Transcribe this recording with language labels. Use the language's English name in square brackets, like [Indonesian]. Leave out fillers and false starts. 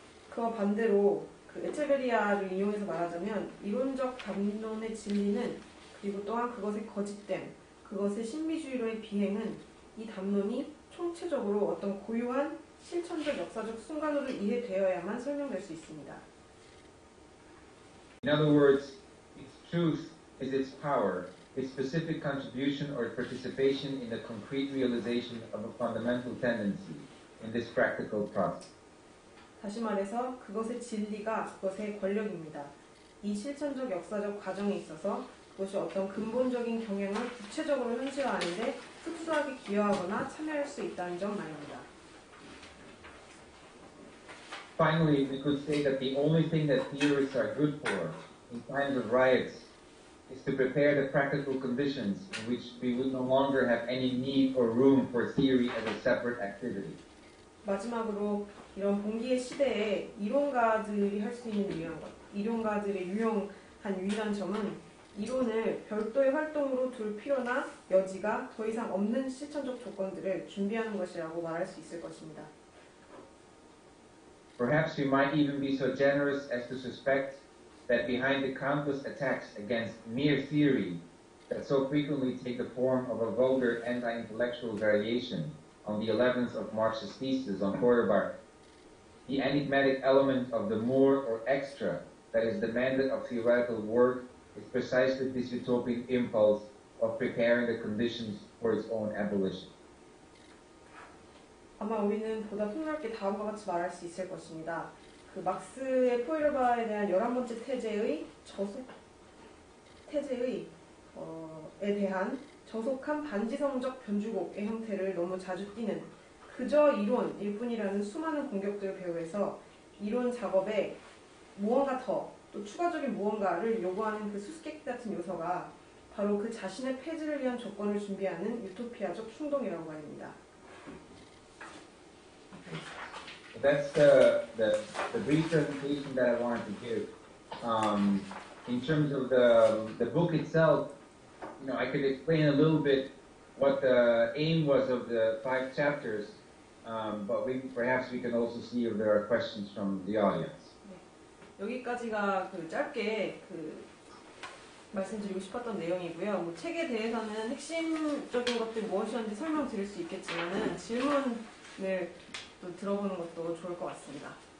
[Korean] 그와 반대로 그 에체베리아를 인용해서 말하자면 이론적 담론의 진리는 그리고 또한 그것의 거짓됨, 그것의 신비주의로의 비행은 이 담론이 총체적으로 어떤 고유한 실천적 역사적 순간으로 이해되어야만 설명될 수 있습니다. [English] In other words, its truth is its power, its specific contribution or participation in the concrete realization of a fundamental tendency in this practical process. [Korean] 다시 말해서 그것의 진리가 그것의 권력입니다. 이 실천적 역사적 과정에 있어서 그것이 어떤 근본적인 경향을 구체적으로 현실화하는 데 특수하게 기여하거나 참여할 수 있다는 점 말입니다. [English] Finally, we could say that the only thing that theorists are good for in times of riots is to prepare the practical conditions in which we would no longer have any need or room for theory as a separate activity. [Korean] 마지막으로 이런 봉기의 시대에 이론가들이 할 수 있는 유용한 것, 이론가들의 유용한 유일한 점은 이론을 별도의 활동으로 둘 필요나 여지가 더 이상 없는 실천적 조건들을 준비하는 것이라고 말할 수 있을 것입니다. [English] Perhaps we might even be so generous as to suspect that behind the countless attacks against mere theory that so frequently take the form of a vulgar anti-intellectual variation on the 11th of Marx's thesis on Feuerbach, the enigmatic element of the more or extra that is demanded of theoretical work is precisely this utopian impulse of preparing the conditions for its own abolition. [Korean] 아마 우리는 보다 폭넓게 다음과 같이 말할 수 있을 것입니다. 그 막스의 포일바에 대한 11번째 태제의 저속 태제의 에 대한 저속한 반지성적 변주곡의 형태를 너무 자주 띠는 그저 이론일 뿐이라는 수많은 공격들을 배후에서 이론 작업에 무언가 더 또 추가적인 무언가를 요구하는 그 수수께끼 같은 요소가 바로 그 자신의 폐지를 위한 조건을 준비하는 유토피아적 충동이라고 말입니다. [English] That's the brief presentation that I wanted to give. In terms of the book itself, you know, I could explain a little bit what the aim was of the five chapters, but perhaps we can also see if there are questions from the audience. [Korean] 여기까지가 그 짧게 그 말씀드리고 싶었던 내용이고요. 뭐 책에 대해서는 핵심적인 것들 무엇이었는지 설명드릴 수 있겠지만은 질문을 또 들어보는 것도 좋을 것 같습니다.